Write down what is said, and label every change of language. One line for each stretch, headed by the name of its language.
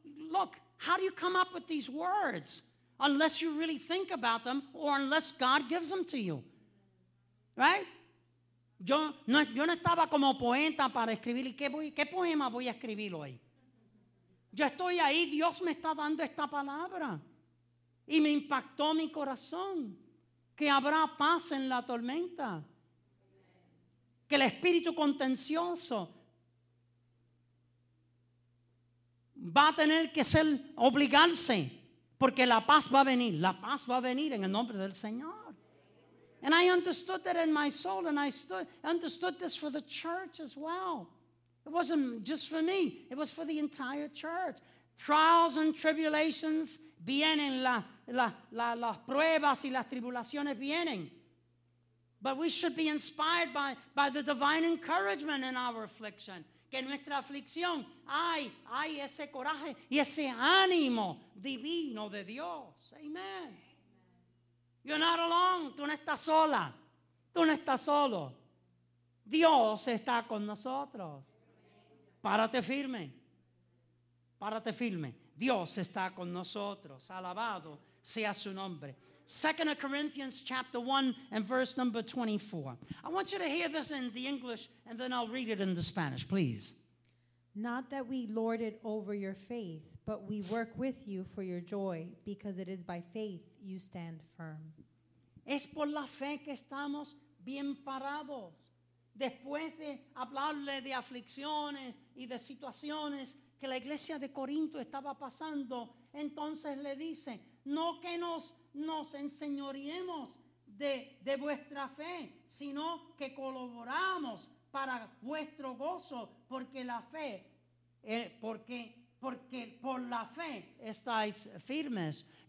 English: Look, how do you come up with these words? Unless you really think about them, or unless God gives them to you. Right?
Spanish: Yo no estaba como poeta para escribir, y qué poema voy a escribir hoy. Yo estoy ahí, Dios me está dando esta palabra. Y me impactó mi corazón. Que habrá paz en la tormenta. Que el espíritu contencioso va a tener que ser obligarse. Porque la paz va a venir en el nombre del Señor.
English: And I understood that in my soul, and I understood this for the church as well. It wasn't just for me, it was for the entire church. Trials and tribulations
Spanish: vienen, las pruebas y las tribulaciones vienen.
English: But we should be inspired by the divine encouragement in our affliction.
Spanish: Que en nuestra aflicción hay ese coraje y ese ánimo divino de Dios. Amen.
English: You're not alone.
Spanish: Tú no estás sola. Tú no estás solo. Dios está con nosotros. Párate firme. Párate firme. Dios está con nosotros. Alabado sea su nombre.
English: 2 Corinthians chapter 1 and verse number 24. I want you to hear this in the English, and then I'll read it in the Spanish, please. Not that we lord it over your faith, but we work with you for your joy, because it is by faith you stand firm.
Spanish: Es por la fe que estamos bien parados. Después de hablarle de aflicciones y de situaciones que la iglesia de Corinto estaba pasando, entonces le dice, no que nos enseñoreemos de vuestra fe, sino que colaboramos para vuestro gozo, porque la fe, porque por la fe estáis firmes.